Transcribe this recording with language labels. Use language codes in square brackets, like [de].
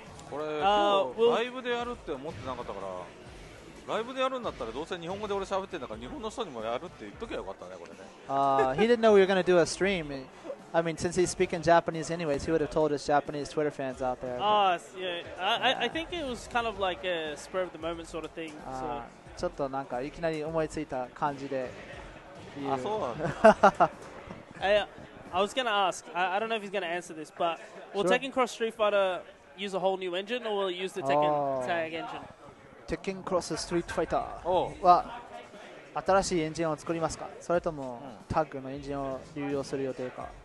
[en] He didn't know we were going to do a stream. I mean, since he's speaking Japanese anyways, he would have told his Japanese Twitter fans out there. I think it was kind of like a spur of the moment sort of thing. [ja] ちょっとなんかいきなり思いついた感じで。あ、そうなんだ。 [en] I was going to ask. I don't know if he's going to answer this, but will Tekken Cross Street Fighter use a whole new engine or will it use the Tekken Tag engine? [ja] Tekken Cross Street Fighter は新しいエンジンを作りますか？それともタッグのエンジンを流用する予定か？